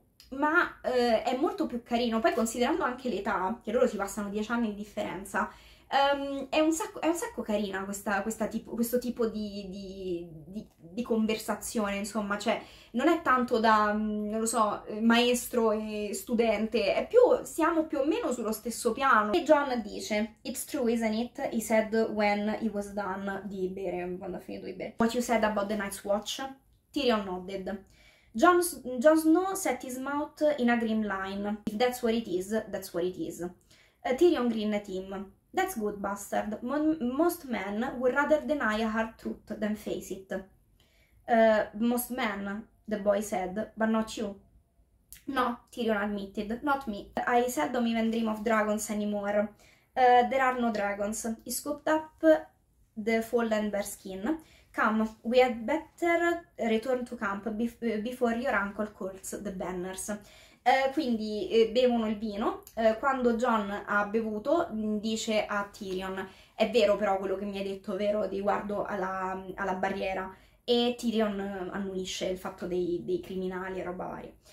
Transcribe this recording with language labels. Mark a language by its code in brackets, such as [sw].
[it] Ma è molto più carino, poi considerando anche l'età, che loro si passano 10 anni di differenza, è un sacco carina questo tipo di conversazione, insomma, cioè non è tanto da, non lo so, maestro e studente, è più, siamo più o meno sullo stesso piano. E John dice, [en] It's true, isn't it? He said when he was done [it] di bere, quando ha finito di bere. [en] What you said about the Night's Watch? Tyrion nodded. Jon Snow set his mouth in a grim line. If that's what it is, that's what it is. Tyrion grinned at him. That's good, bastard. Most men would rather deny a hard truth than face it. Most men, the boy said, but not you. No, Tyrion admitted, not me. I seldom even dream of dragons anymore. There are no dragons. He scooped up the fallen bear skin. Come, we had better return to camp before your uncle calls the banners. [it] Quindi bevono il vino. Quando John ha bevuto, dice a Tyrion: È vero però quello che mi hai detto, vero, riguardo alla barriera. E Tyrion annuisce il fatto dei criminali e roba varia.